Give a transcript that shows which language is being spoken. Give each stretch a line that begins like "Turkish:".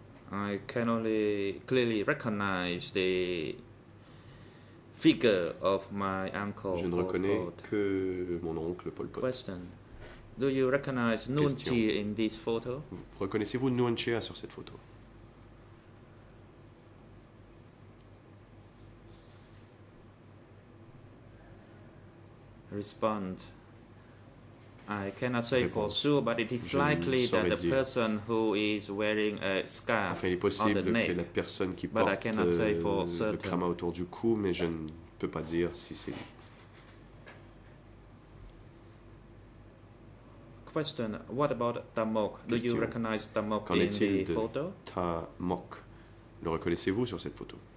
English: I can only clearly recognize the figure of my uncle.
French: Je ne reconnais que mon oncle Pol Pot.
English: Question. Do you recognize Nguyen Chia in this photo?
French: Reconnaissez-vous Nguyen Chia sur cette photo?
English: Respond. I cannot say for sure, but it is likely that the person who is wearing a scarf on the neck.
French: Enfin, il est possible que la personne qui porte le kramat autour du cou, mais je ne peux pas dire si c'est.
English: Question. What about Tamok? Do you recognize Tamok in the photo?
French: Tamok. Le reconnaissez-vous sur cette photo?